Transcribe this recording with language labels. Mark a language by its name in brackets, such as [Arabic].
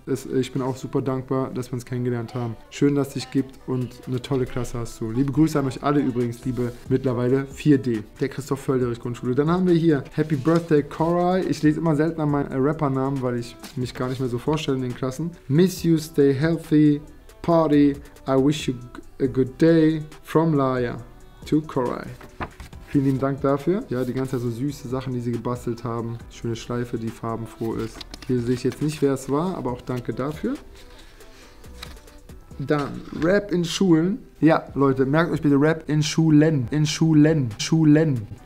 [German] Ich bin auch super dankbar, dass wir uns kennengelernt haben. Schön, dass es dich gibt und eine tolle Klasse hast du. Liebe Grüße an euch alle übrigens, liebe mittlerweile 4D, der Christoph-Völderich-Grundschule. Dann haben wir hier Happy Birthday Corey. Ich lese immer seltener meinen Rappernamen, weil ich mich gar nicht mehr so vorstelle in den Klassen. [English] Miss you, stay healthy, party, I wish you a good day, from Laia to Corey. [German] Vielen lieben Dank dafür. Ja, die ganze Zeit so süße Sachen, die sie gebastelt haben. Schöne Schleife, die farbenfroh ist. Hier sehe ich jetzt nicht, wer es war, aber auch danke dafür. Dann Rap in Schulen. Ja, Leute, merkt euch bitte Rap in Schulen. In Schulen. Schulen.